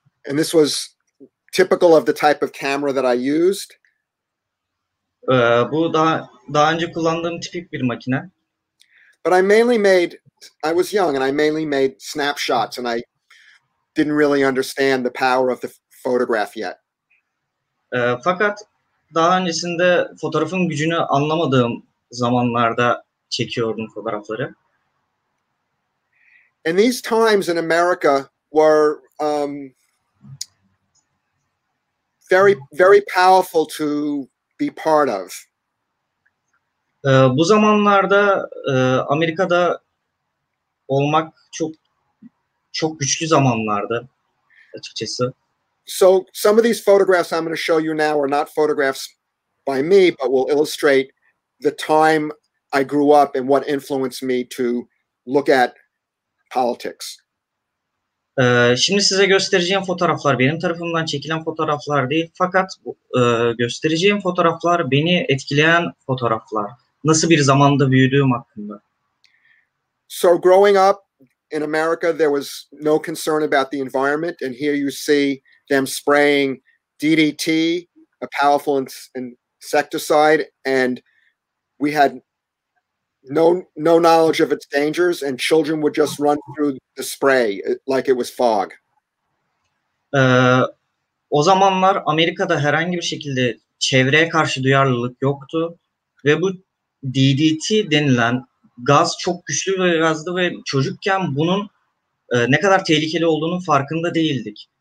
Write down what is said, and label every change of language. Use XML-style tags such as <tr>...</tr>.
<en>And this was typical of the type of camera that I used.</en> <tr>Bu daha önce kullandığım tipik bir makine.</tr> <en>But I was young and I mainly made snapshots and I didn't really understand the power of the photograph yet.</en> <tr>Fakat daha öncesinde fotoğrafın gücünü anlamadığım zamanlarda çekiyordum fotoğrafları.</tr> <en>And these times in America were very very powerful to be part of.</en> <tr>Bu zamanlarda Amerika'da olmak çok çok güçlü zamanlardı açıkçası.</tr> <en>So some of these photographs I'm going to show you now are not photographs by me, but will illustrate the time I grew up and what influenced me to look at politics.</en> <tr>Şimdi size göstereceğim fotoğraflar benim tarafımdan çekilen fotoğraflar değil, fakat göstereceğim fotoğraflar beni etkileyen fotoğraflar. Nasıl bir zamanda büyüdüğüm hakkında.</tr> <en>So growing up in America, there was no concern about the environment, and here you see them spraying DDT, a powerful insecticide, and we had no knowledge of its dangers, and children would just run through the spray like it was fog.</en> <tr>O zamanlar Amerika'da herhangi bir şekilde çevreye karşı duyarlılık yoktu ve bu DDT denilen gaz çok güçlü bir gazdı ve çocukken bunun ne kadar tehlikeli olduğunun farkında değildik.</tr>